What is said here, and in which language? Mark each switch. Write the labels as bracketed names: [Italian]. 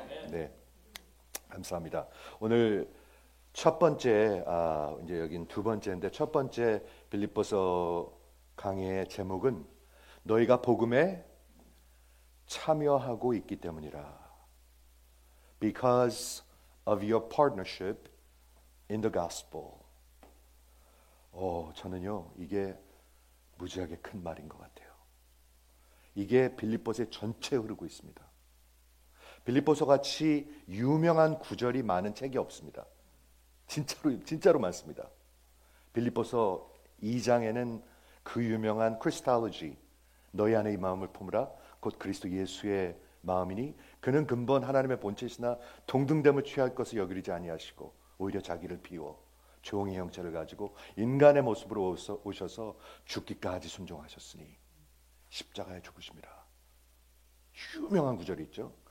[Korean] 네, 감사합니다. 오늘 첫 번째, 이제 여긴 두 번째인데 첫 번째 빌립보서 강의의 제목은 너희가 복음에 참여하고 있기 때문이라. [English] Because of your partnership in the gospel. [Korean] 저는요, 이게 무지하게 큰 말인 것 같아요. 이게 빌립보서의 전체에 흐르고 있습니다. 빌립보서 같이 유명한 구절이 많은 책이 없습니다. 진짜로 많습니다. 빌립보서 2장에는 그 유명한 크리스탈로지, 너희 안에 이 마음을 품으라, 곧 그리스도 예수의 마음이니 그는 근본 하나님의 본체시나 동등됨을 취할 것을 여기지 아니하시고 오히려 자기를 비워 종의 형체를 가지고 인간의 모습으로 오셔서 죽기까지 순종하셨으니 십자가에 죽으십니다. 유명한 구절이 있죠.